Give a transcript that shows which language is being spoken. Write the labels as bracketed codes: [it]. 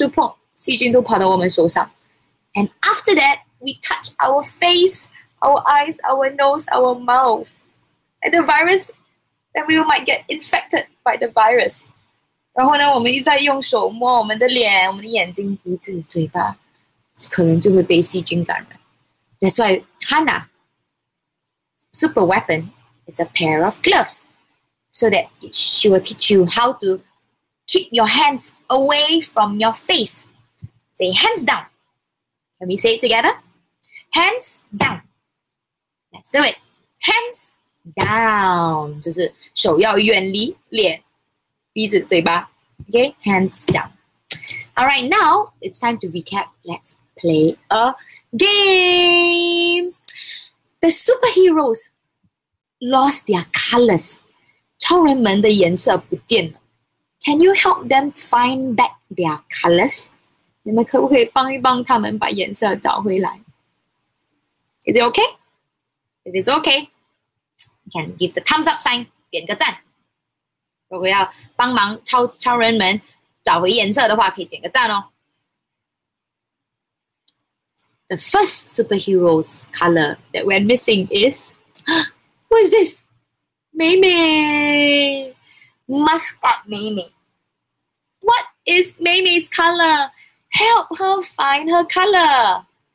[zh] 我们的手上其实是很多很多细菌的，因为我们有时候到处碰窗口、碰窗口、碰桌子、碰橱，到处碰，细菌都跑到我们手上. [en] And after that, we touch our face, our eyes, our nose, our mouth. And the virus, then we might get infected by the virus. [zh] 然后呢，我们又在用手摸我们的脸、我们的眼睛、鼻子、嘴巴。可能就会被细菌感染. [en] That's why Hana's super weapon is a pair of gloves, so that she will teach you how to keep your hands away from your face. Say hands down. Can we say it together? Hands down. Let's do it. Hands down. [zh] 就是手要远离脸、鼻子、嘴巴. [en] Okay, hands down. All right, now it's time to recap. Let's play a game. The superheroes lost their colors. [zh] 超人们的颜色不见了. [en] Can you help them find back their colors? [zh] 你们可不可以帮一帮他们把颜色找回来? [en] Is it okay? If it's okay, you can give the thumbs up sign, [zh] 点个赞. 如果要帮忙超人们找回颜色的话，可以点个赞哦. [en] The first superhero's color that went missing is, who is this? Mei Mei. Mascot Mei Mei. What is Mei Mei's color? Help her find her color.